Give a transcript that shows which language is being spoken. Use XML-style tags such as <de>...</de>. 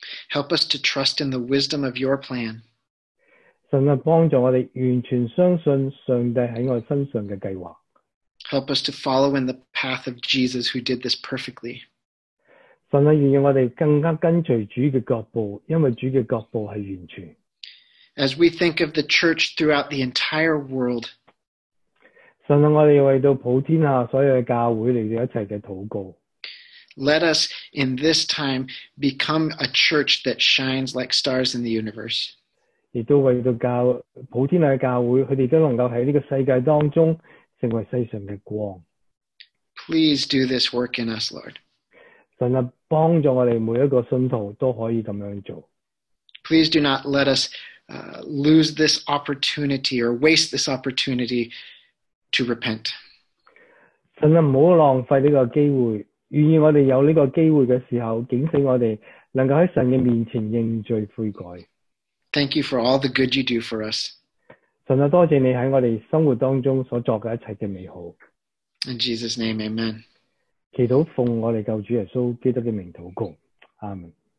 <en>Help us to trust in the wisdom of your plan.</en> <zh>神啊，帮助我们完全相信上帝在我们身上的计划。</zh> <en>Help us to follow in the path of Jesus who did this perfectly.</en> <zh>神啊，愿意我们更加跟随主的脚步，因为主的脚步是完全。</zh> <en>As we think of the church throughout the entire world,</en> <zh>神啊，我们为到普天下所有的教会来一起的祷告。</zh> <en>Let us in this time become a church that shines like stars in the universe.</en> <zh>也都为到教普天下的教会，他们都能够在这个世界当中成为世上的光。</zh> <en>Please do this work in us, Lord.</en> <zh>神啊，帮助我们每一个信徒都可以这样做。</zh> <en>Please do not let us lose this opportunity or waste this opportunity to repent.</en> <zh>神啊，不要浪费这个机会。愿意我们有这个机会的时候，警醒我们能够在神的面前认罪悔改。</zh> <en>Thank you for all the good you do for us.</en> <zh>神啊，多谢你在我们生活当中所做的一切的美好。</zh> <en>In Jesus' name, amen.</en> <zh>祈祷奉我们救主耶稣基督的名祷告。阿们。</zh>